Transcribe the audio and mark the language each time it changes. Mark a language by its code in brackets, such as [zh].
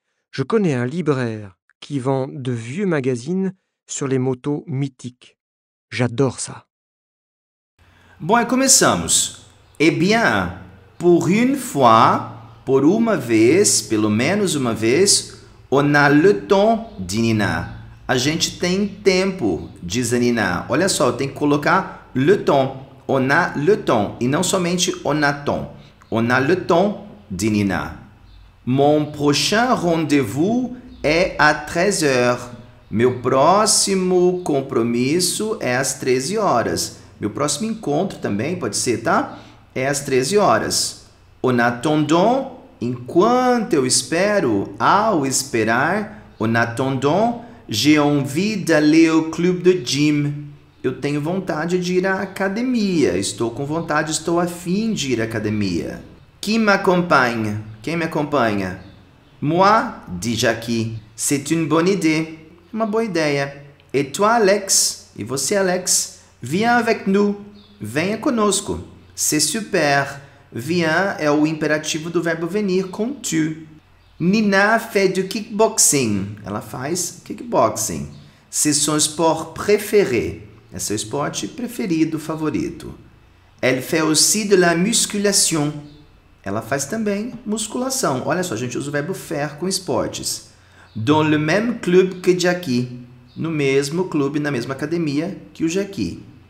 [fr] Je connais un libraire qui vend de vieux magazines sur les motos mythiques. J'adore ça. [pt] Bon, começamos. [fr] Eh bien, pour une fois, pour une vez, [pt] pelo menos uma vez, [fr] on a le temps, dit Nina. [pt] A gente tem tempo, diz a Nina. Olha só, tem que colocar [fr] le temps. On a le temps, [pt] e não somente [fr] on a temps. On a le temps, dit Nina. Mon prochain rendez-vous est à 13 h. [pt] Meu próximo compromisso é às 13 horas. Meu próximo encontro também pode ser, tá? É às 13 horas. [fr] En attendant, [pt] enquanto eu espero, ao esperar, [fr] en attendant, j'ai envie d'aller au club de gym. [pt] Eu tenho vontade de ir à academia. Estou com vontade, estou a fim de ir à academia. [fr] Qui m'accompagne? [pt] Quem me acompanha? [fr] Moi, dit Jackie. C'est une bonne idée. [pt] Uma boa ideia. [fr] Et toi, Alex? [pt] E você, Alex? [fr] Viens avec nous. [pt] Venha conosco. [fr] C'est super. [pt] Viens é o imperativo do verbo venir com tu. [fr] Nina fait du kickboxing. [pt] Ela faz kickboxing. [fr] C'est son sport préféré. [pt] É seu esporte preferido, favorito. [fr] Elle fait aussi de la musculation. [pt] Ela faz também musculação. Olha só, a gente usa o verbo faire com esportes. [fr] Dans le même club que Jackie. [pt] No mesmo clube, na mesma academia que o Jackie.